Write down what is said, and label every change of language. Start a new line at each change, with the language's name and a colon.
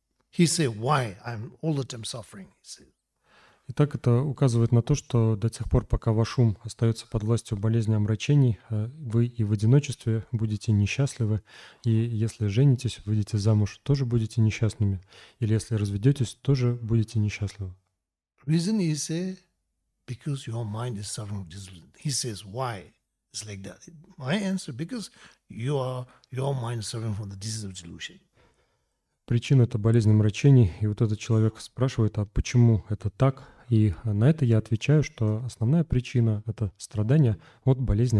English: He say, why I'm all the time suffering, he says.
Russian: Итак, это указывает на то, что до тех пор, пока ваш ум остается под властью болезни омрачений, вы и в одиночестве будете несчастливы, и если женитесь, выйдете замуж, тоже будете несчастными, или если разведетесь, тоже будете несчастливы.
English: Reason is because your mind is suffering from disillusion. He says why it's like that. My answer because your mind is suffering from the disease of delusion.
Russian: Причина – это болезнь омрачений. И вот этот человек спрашивает, а почему это так? И на это я отвечаю, что основная причина – это страдания от болезни